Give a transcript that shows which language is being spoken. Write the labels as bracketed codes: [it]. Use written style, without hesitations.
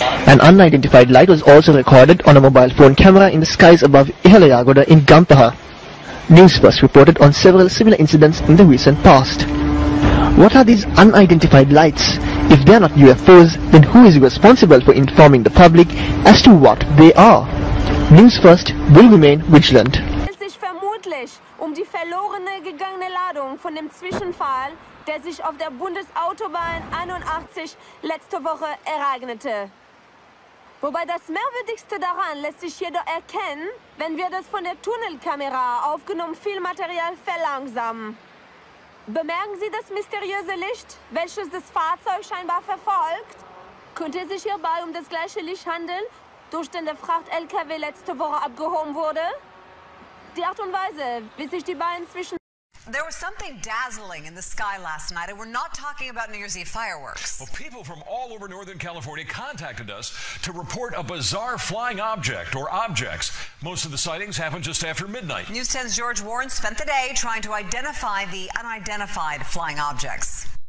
[en] An unidentified light was also recorded on a mobile phone camera in the skies above Ihaliyagoda in Gampaha. News First reported on several similar incidents in the recent past. What are these unidentified lights? If they are not UFOs, then who is responsible for informing the public as to what they are? News First will remain vigilant. [de] Es sich vermutlich die verlorene gegangene Ladung von dem Zwischenfall, der sich auf der Bundesautobahn 81 letzte Woche ereignete. Wobei das Merkwürdigste daran lässt sich jedoch erkennen, wenn wir das von der Tunnelkamera aufgenommen Filmmaterial verlangsamen. Bemerken Sie das mysteriöse Licht, welches das Fahrzeug scheinbar verfolgt? Könnte es sich hierbei um das gleiche Licht handeln, durch den der Fracht-LKW letzte Woche abgehoben wurde? Die Art und Weise, wie sich die beiden zwischen... [en] There was something dazzling in the sky last night, and we're not talking about New Year's Eve fireworks. Well, people from all over Northern California contacted us to report a bizarre flying object or objects. Most of the sightings happened just after midnight. News 10's George Warren spent the day trying to identify the unidentified flying objects.